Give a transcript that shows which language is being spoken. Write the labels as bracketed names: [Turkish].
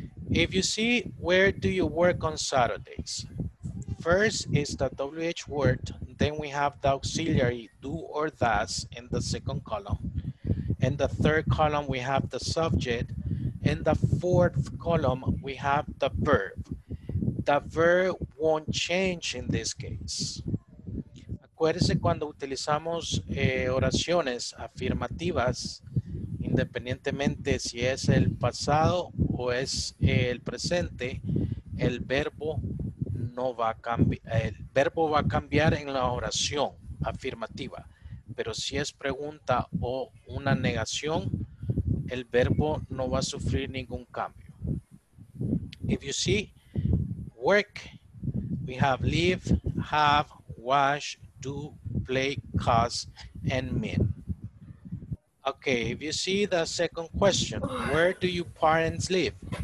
[English] If you see, where do you work on Saturdays? First is the WH word, then we have the auxiliary, do or does, in the second column. In the third column, we have the subject. In the fourth column, we have the verb. The verb won't change in this case. [Spanish] Acuérdese cuando utilizamos oraciones afirmativas, independientemente si es el pasado o es el presente, el verbo no va a cambiar, el verbo va a cambiar en la oración afirmativa, pero si es pregunta o una negación, el verbo no va a sufrir ningún cambio. [English] If you see, work, we have live, have, wash, do, play, cause, and mean. Okay, if you see the second question, where do your parents live?